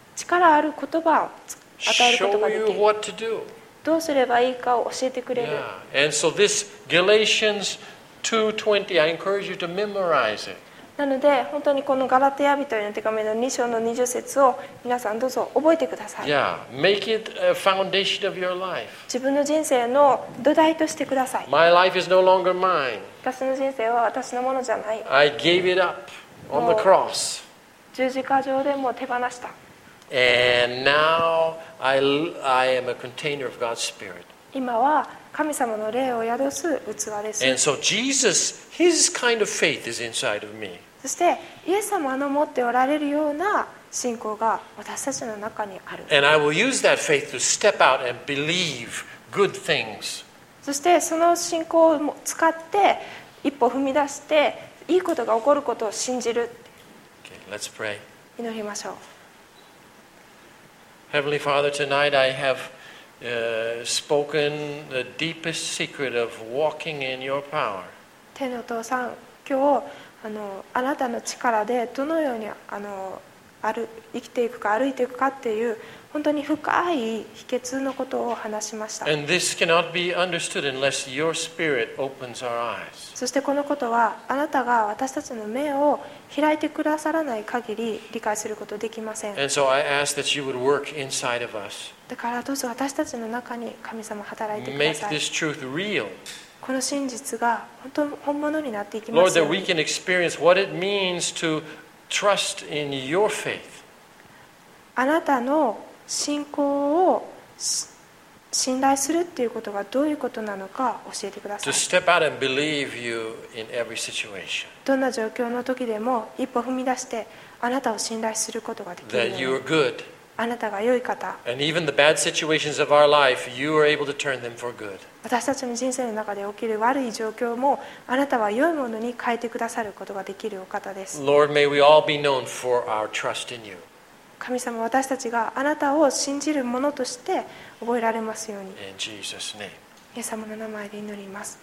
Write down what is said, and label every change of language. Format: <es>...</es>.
<ja>力ある言葉を与えることができる。</ja> <en>Show you what to do.</en> <ja>どうすればいいかを教えてくれる。 Yeah.</ja> <en>And so this Galatians 2:20, I encourage you to memorize it.</en> <ja>なので本当にこのガラテヤ人への手紙の2章の20節を皆さんどうぞ覚えてください。</ja> <en>Yeah, make it a foundation of your life.</en> <ja>自分の人生の土台としてください。</ja> <en>My life is no longer mine.</en> <ja>私の人生は私のものじゃない。</ja> <en>I gave it up on the cross.</en> <ja>十字架上でもう手放した。</ja> <en>And now I am a container of God's Spirit.</en> <ja>今は神様の霊を宿す器です。</ja> <en>And so Jesus, his kind of faith is inside of me.</en> <ja>そしてイエス様の持っておられるような信仰が私たちの中にある。</ja> <en>And I will use that faith to step out and believe good things.</en> <ja>そしてその信仰を使って一歩踏み出していいことが起こることを信じる。</ja> <en>Okay, let's pray.</en> <ja>祈りましょう。</ja> <en>Heavenly Father, tonight I have spoken the deepest secret of walking in your power.</en> <ja>天のお父さん、今日あなたの力でどのように生きていくか歩いていくかっていう本当に深い秘訣のことを話しました。</ja> <en>And this cannot be understood unless your spirit opens our eyes.</en> <ja>そしてこのことはあなたが私たちの目を開いてくださらない限り理解することできません。</ja> <en>And so I ask that you would work inside of us.</en> <ja>だからどうぞ私たちの中に神様働いてください。</ja> <en>Make this truth real.</en> <ja>この真実が本当本物になっていきますように。</ja> <en>Lord, that we can experience what it means to trust in your faith.</en> <ja>あなたの信仰を信頼するっていうことがどういうことなのか教えてください。</ja> <en>To step out and believe you in every situation.</en> <ja>どんな状況の時でも一歩踏み出してあなたを信頼することができる。</ja> <en>That you are good.</en> <ja>あなたが良い方。</ja> <en>And even the bad situations of our life, you are able to turn them for good.</en> <ja>私たちの人生の中で起きる悪い状況も、あなたは良いものに変えてくださることができるお方です。</ja> <en>Lord, may we all be known for our trust in you.</en> <ja>神様、私たちがあなたを信じる者として覚えられますように。</ja> <en>In Jesus' name.</en> <ja>イエス様の名前で祈ります。</ja>